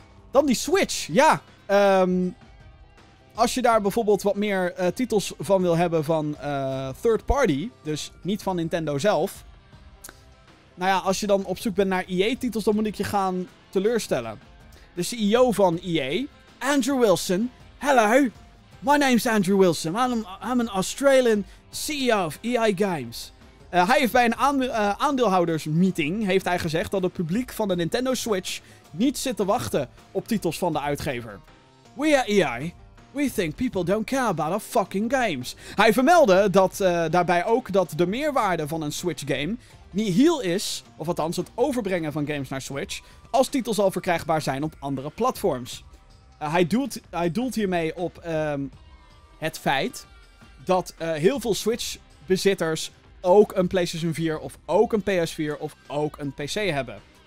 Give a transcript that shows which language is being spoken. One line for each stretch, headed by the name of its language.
Dutch: Dan die Switch, ja. Als je daar bijvoorbeeld wat meer titels van wil hebben van third party, dus niet van Nintendo zelf. Nou ja, als je dan op zoek bent naar EA-titels, dan moet ik je gaan teleurstellen. De CEO van EA,
English: Andrew Wilson, hello, my name's Andrew Wilson, I'm an Australian CEO of EA Games.
Dutch: Hij heeft bij een aandeelhoudersmeeting heeft hij gezegd dat het publiek van de Nintendo Switch niet zit te wachten op titels van de uitgever.
English: We are EA, we think people don't care about our fucking games.
Dutch: Hij vermeldde dat daarbij ook dat de meerwaarde van een Switch game niet heel is, of althans het overbrengen van games naar Switch, als titels al verkrijgbaar zijn op andere platforms. Hij doelt hiermee op het feit dat heel veel Switch-bezitters ook een PlayStation 4 of ook een PS4 of ook een PC hebben.